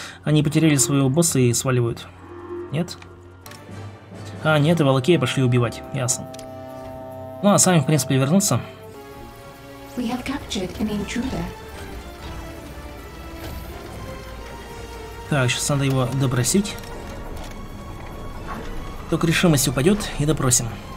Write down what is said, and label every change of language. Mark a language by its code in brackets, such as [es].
[ru] Они потеряли своего босса и сваливают. Нет? А, нет, и волокея пошли убивать. Ясно. Ну, а сами, в принципе, вернуться. [en] We have captured an intruder. [ru] Так, сейчас надо его допросить. Только решимость упадет, и допросим.